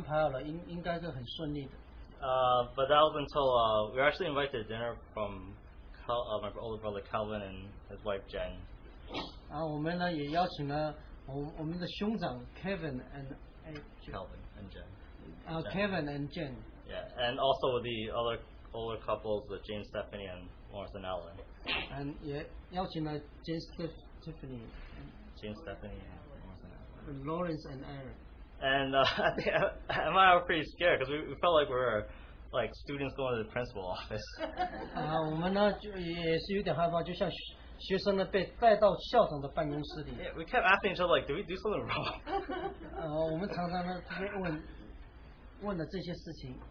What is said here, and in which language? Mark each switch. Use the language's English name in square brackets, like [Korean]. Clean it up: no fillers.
[Chinese] 我们觉得呢，所有的细节呢都安排好了，应该是很顺利的。 [English] But that was until we were actually invited to dinner from my older brother Calvin and his wife Jen. [Chinese] 我们呢也邀请了我们的兄长 Kevin and [English] Calvin and Jen. Kevin and Jen. Yeah, and also the other older couples, with James, Stephanie, and Lawrence and Ellen. And yeah, 邀请了 James, Stephanie. James, Stephanie, and Lawrence and Aaron. And I think I was pretty scared because we felt like we're like students going to the principal office. [Chinese] 我们呢就也是有点害怕，就像学生呢被带到校长的办公室里。 [English] Yeah, we kept asking each other like, did we do something wrong? [Chinese] 我们常常呢问了这些事情。